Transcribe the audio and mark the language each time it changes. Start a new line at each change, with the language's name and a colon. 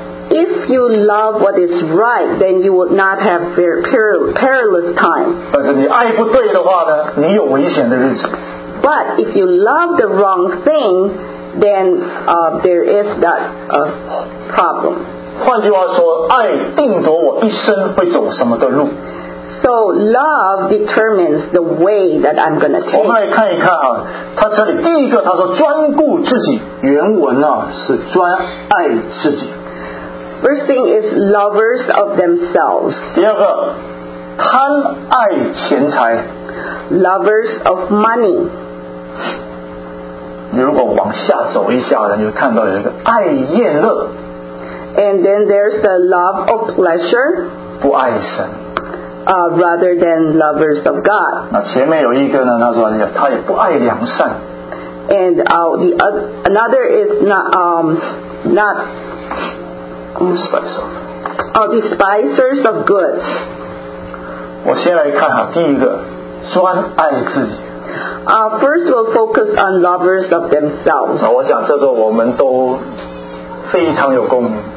English: If you love what is right, then you will not have very perilous time.
Chinese: 但是你爱不对的话呢，你有危险的日子。
English: But if you love the wrong thing, then there is that problem.
Chinese: 换句话说，爱定夺我一生会走什么的路。
English: So love determines the way that I'm going to take.
Chinese: 我们来看一看啊，他这里第一个他说专顾自己，原文啊是专爱自己。
English: First thing is lovers of themselves.
Chinese: 第二个，贪爱钱财。
English: Lovers of money.
Chinese: 如果往下走一下，你就看到有一个爱厌乐。
English: And then there's the love of pleasure.
Chinese: 不爱神。
English: Rather than lovers of God.
Chinese: 那前面有一个呢，他说他也不爱良善。
English: And the another is not despisers of goods.
Chinese: 我先来看哈，第一个专爱自己。
English: First, we'll focus on lovers of themselves.
Chinese: 我想这个我们都非常有共鸣。